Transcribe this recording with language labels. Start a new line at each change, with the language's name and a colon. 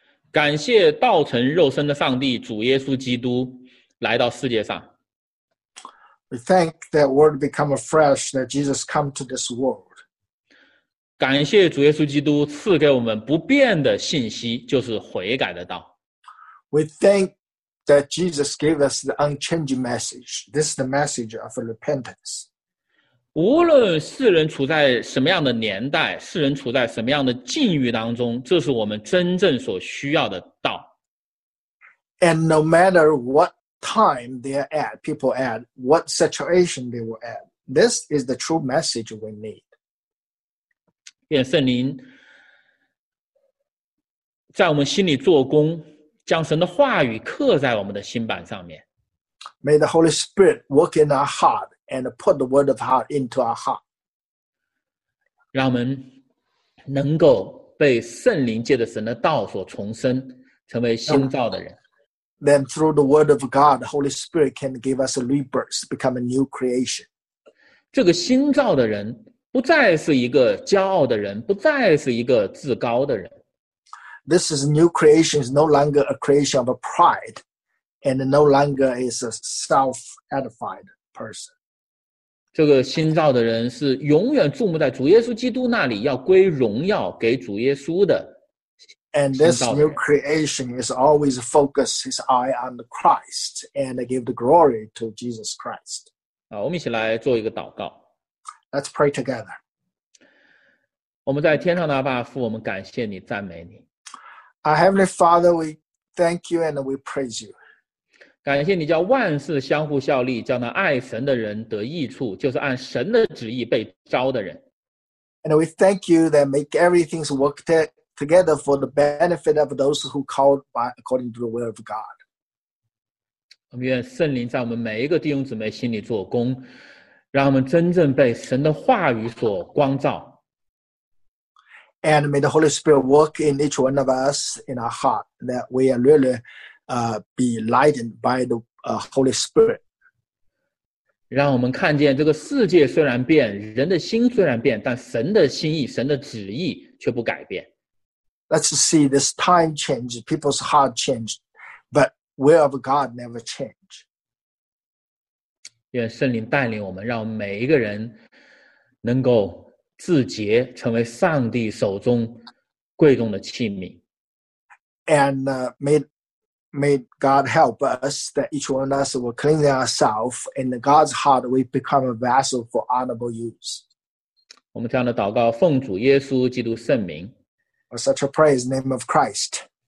Chinese: 感谢道成肉身的上帝主耶稣基督来到世界上。
English: We thank that word become flesh that Jesus come to this world.
Chinese: 感谢主耶稣基督赐给我们不变的信息，就是悔改的道。
English: We thank that Jesus gave us the unchanging message. This is the message of repentance.
Chinese: 无论世人处在什么样的年代，世人处在什么样的境遇当中，这是我们真正所需要的道。
English: And no matter what time they're at, people at, what situation they were at, this is the true message we need.
Chinese: 愿圣灵在我们心里做工，将神的话语刻在我们的心板上面。
English: May the Holy Spirit work in our heart. And put the word of heart into our heart.
Chinese: 让我们能够被圣灵借着神的道所重生，成为新造的人。
English: Then through the word of God, the Holy Spirit can give us a rebirth, become a new creation.
Chinese: 这个新造的人不再是一个骄傲的人，不再是一个自高的人。
English: This is new creation is no longer a creation of a pride, and no longer is a self-edified person.
Chinese: 这个新造的人是永远注目在主耶稣基督那里，要归荣耀给主耶稣的。
English: And this new creation is always focus his eye on the Christ and give the glory to Jesus Christ.
Chinese: 我们一起来做一个祷告。
English: Let's pray together.
Chinese: 我们在天上的阿爸父，我们感谢你，赞美你。
English: Our Heavenly Father, we thank you and we praise you.
Chinese: 感谢你叫万事相互效力，叫那爱神的人得益处，就是按神的旨意被招的人。
English: And we thank you that make everything work together for the benefit of those who called by according to the will of God.
Chinese: 我们愿圣灵在我们每一个弟兄姊妹心里做工，让我们真正被神的话语所光照。
English: And may the Holy Spirit work in each one of us in our heart that we are really. Be lightened by the Holy Spirit.
Chinese: 让我们看见这个世界虽然变，人的心虽然变，但神的心意、神的旨意却不改变。
English: Let's see this time change, people's heart change, but will of God never change.
Chinese: 愿圣灵带领我们，让每一个人能够自洁，成为上帝手中贵重的器皿。
English: And may God help us that each one of us will clean ourselves in God's heart, we become a vessel for honorable use.
Chinese: 我们这样的祷告奉主耶稣基督圣名。
English: For such a praise in the name of Christ.